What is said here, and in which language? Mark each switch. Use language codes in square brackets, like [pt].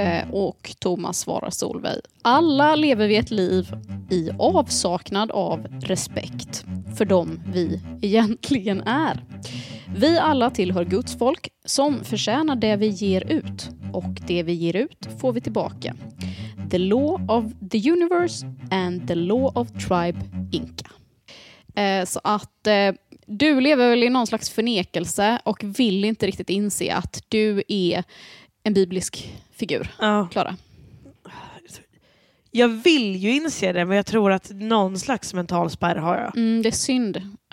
[sv] Och Thomas svarar Solveig: alla lever vi ett liv i avsaknad av respekt för dem vi egentligen är. Vi alla tillhör Guds folk som förtjänar det vi ger ut, och det vi ger ut får vi tillbaka. [en] The law of the universe and the law of tribe Inca. [sv] Så att du lever väl i någon slags förnekelse och vill inte riktigt inse att du är en biblisk figur, Klara? Jag vill ju inse det, men jag tror att någon slags mental spärr har jag. Mm, det är synd.